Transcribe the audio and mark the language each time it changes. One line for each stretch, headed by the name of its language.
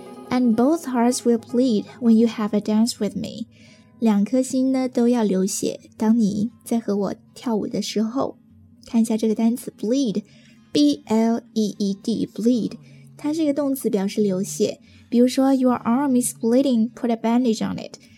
English: And both hearts will bleed when you have a dance with me.
Chinese: 两颗心呢都要流血，当你在和我跳舞的时候。看一下这个单词 bleed, B-L-E-E-D, bleed. 它是一个动词，表示流血。比如说
English: your arm is bleeding, put a bandage on it.